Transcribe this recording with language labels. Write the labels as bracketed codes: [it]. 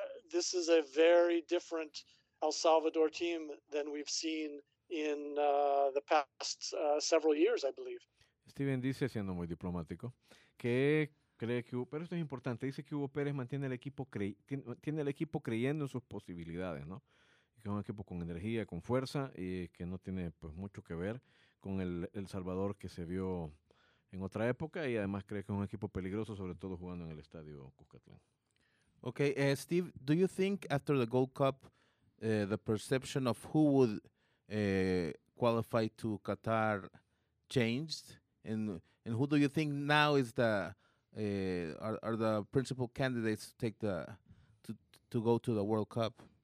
[en] This is a very different El Salvador team than we've seen in the past several years, I believe. [es] Steven dice, siendo muy diplomático, que cree que Hugo, pero esto es importante, dice que Hugo Pérez mantiene el equipo tiene el equipo creyendo en sus posibilidades, ¿no? Que es un equipo con energía, con fuerza y que no tiene pues mucho que ver con el Salvador que se vio en otra época y además cree que es un equipo peligroso, sobre todo jugando en el estadio Cuscatlán. [en] Okay, Steve, do you think after the Gold Cup, the perception of who would qualify to Qatar changed? And who do you think now is the are the principal candidates to take to go to the World Cup?